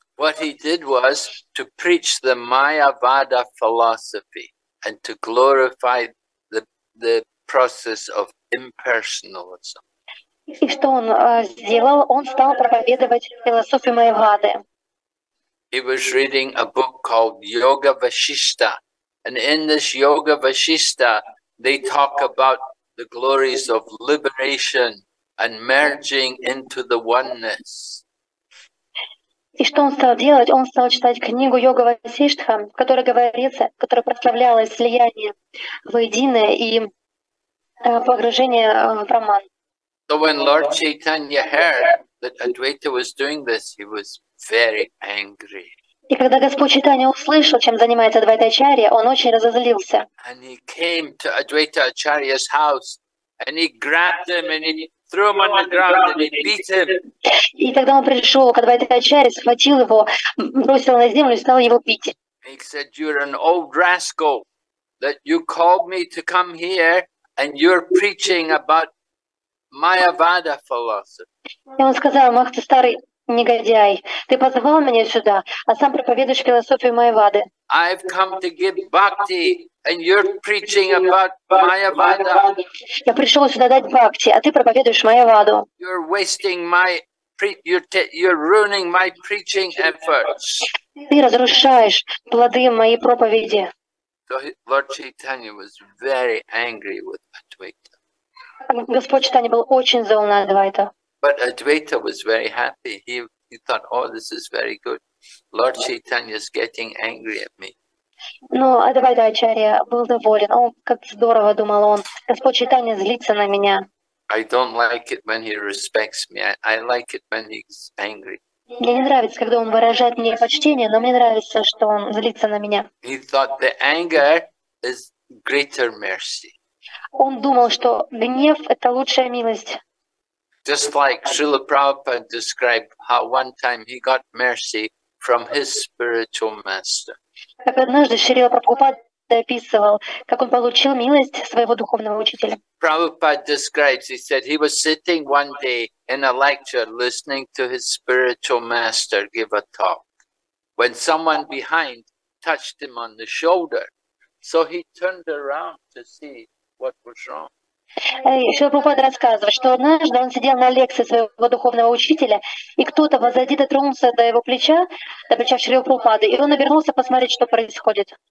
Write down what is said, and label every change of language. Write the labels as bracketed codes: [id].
[en] What he did was to preach the Mayavada philosophy and to glorify the process of impersonalism. [ru] И что он сделал? Он стал проповедовать философию Майявады. [en] He was reading a book called Yoga Vashishta, and in this Yoga Vashishta, they talk about the glories of liberation and merging into the oneness. [ru] И что он стал делать? Он стал читать книгу Йога Васиштха, в которой говорится, которая прославляла слияние воедино и погружение в Браман. [en] So when Lord Chaitanya heard that Advaita was doing this, he was very angry. [ru] И когда Господь Чайтанья услышал, чем занимается Адвайта Ачарья, он очень разозлился. [en] And he came to Advaita Acharya's house, and he grabbed him, and he threw him on the ground, and he beat him. [ru] И тогда он пришел к Адвайта Ачарье, схватил его, бросил на землю и стал его бить. [en] He said, "You're an old rascal, that you called me to come here, and you're preaching about Mayavada philosophy." [ru] И он сказал: "Ах, ты старый негодяй, ты позвал меня сюда, а сам проповедуешь философию Майявады. [en] I've come to give bhakti, and you're preaching about Mayavada. [ru] Я пришел сюда дать бхакти, а ты проповедуешь Майяваду. [en] You're wasting my, you're ruining my preaching efforts. [ru] Ты разрушаешь плоды моей проповеди." [en] So Lord Chaitanya was very angry with Advaita. [ru] Господь Чайтанья был очень зол на Адвайта. [en] But Advaita was very happy. He thought, "Oh, this is very good. Lord Chaitanya is getting angry at me." [ru] Но Адвайта Ачарья был доволен. Он как здорово думал он. Господь Чайтанья злится на меня. [en] I don't like it when he respects me. I like it when he's angry. [ru] Мне не нравится, когда он выражает мне почтение, но мне нравится, что он злится на меня. [en] He thought the anger is greater mercy. [ru] Он думал, что гнев — это лучшая милость. [en] Just like Srila Prabhupada described how one time he got mercy from his spiritual master. [ru] Как однажды Шрила Прабхупада описывал, как он получил милость своего духовного учителя. [en] Prabhupada describes, he said he was sitting one day in a lecture listening to his spiritual master give a talk, when someone behind touched him on the shoulder. So he turned around to see what was wrong. [ru] Шрила Прабхупада рассказывает, что однажды он сидел на лекции своего духовного учителя, и кто-то позади дотронулся до его плеча, до плеча Шрила Прабхупады, и он обернулся посмотреть, что происходит.